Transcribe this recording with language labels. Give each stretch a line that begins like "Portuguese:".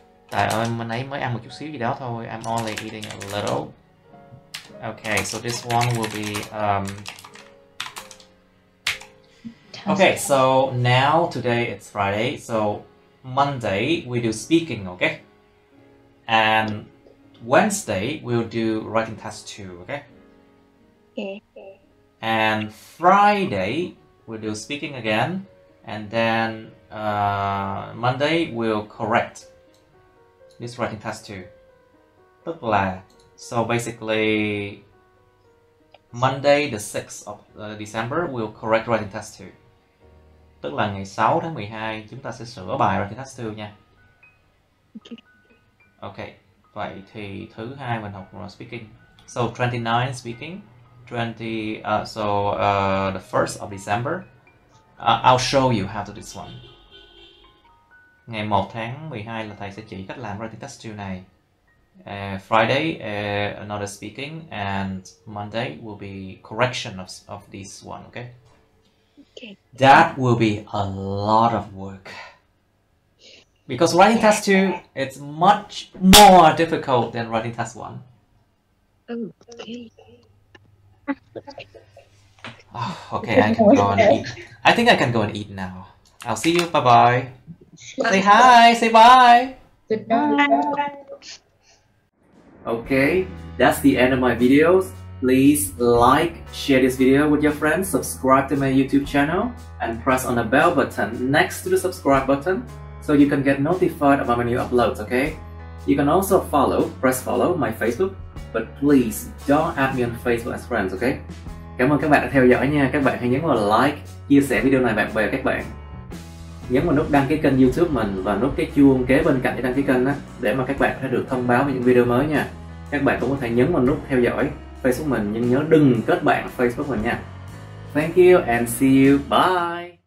Vietnamese: Tại ơi, mình ấy mới ăn một chút xíu gì đó thôi.
English: I'm only eating a little. Okay, so this one will be okay, so now today it's Friday. So Monday we do speaking, okay? And Wednesday we'll do writing task 2, okay? Okay. And Friday we'll do speaking again, and then Monday we'll correct this writing task 2.
Vietnamese: Tức là,
English: so basically Monday the 6th of December we'll correct writing task 2.
Vietnamese: Tức là ngày 6 tháng 12 chúng ta sẽ sửa bài writing task 2 nha. Okay. Vậy thì thứ hai mình học là speaking.
English: So 29 speaking, 20 the 1st of December. I'll show you how to do this one.
Vietnamese: Ngày 1 tháng 12 là thầy sẽ chỉ cách làm writing task 2 này.
English: Friday, another speaking, and Monday will be correction of this one, okay? Okay. That will be a lot of work. Because writing task 2, it's much more difficult than writing task 1. Okay. Okay, I can go and eat. I think I can go and eat now. I'll see you, bye-bye. Say hi, say bye. Okay, that's the end of my videos. Please like, share this video with your friends, subscribe to my YouTube channel, and press on the bell button next to the subscribe button so you can get notified about my new uploads, okay? You can also follow, press follow my Facebook, but please don't add me on Facebook as friends, okay?
Vietnamese: Cảm ơn các bạn đã theo dõi nha. Các bạn hãy nhấn vào like, chia sẻ video này bạn bè các bạn. Nhấn vào nút đăng ký kênh YouTube mình và nút cái chuông kế bên cạnh để đăng ký kênh á, để mà các bạn sẽ được thông báo về những video mới nha. Các bạn cũng có thể nhấn vào nút theo dõi Facebook mình, nhưng nhớ đừng kết bạn Facebook mình nha.
English: Thank you and see you. Bye.